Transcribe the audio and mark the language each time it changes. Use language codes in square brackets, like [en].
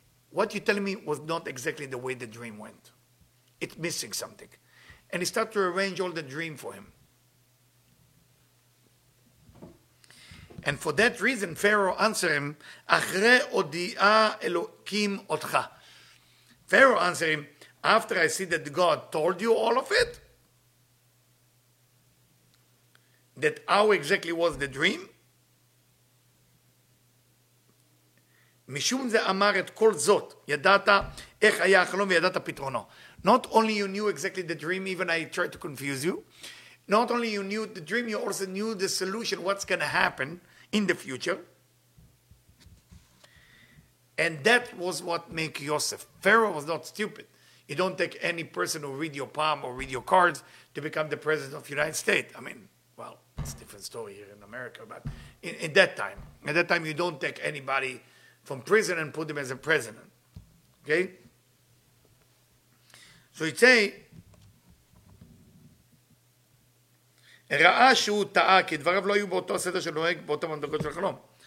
[en] What you're telling me was not exactly the way the dream went. It's missing something. And he started to arrange all the dream for him. And for that reason, Pharaoh answered him, [he] Achre odia Elokim otcha. [en] Pharaoh answered him, after I see that God told you all of it, that how exactly was the dream, [he] משום זה אמר את כל זאת, ידעת איך היה החלום וידעת פתרונו. [en] Not only you knew exactly the dream, even I tried to confuse you. Not only you knew the dream, you also knew the solution, what's going to happen in the future. And that was what made Yosef. Pharaoh was not stupid. You don't take any person who read your palm or read your cards to become the president of the United States. I mean, well, it's a different story here in America, but at that time you don't take anybody from prison and put him as a president. Okay? So he'd say, [he] ראה שהוא טעה, כי דבריו לא היו באותו סדר שנוהג באותו מדרגות של החלום.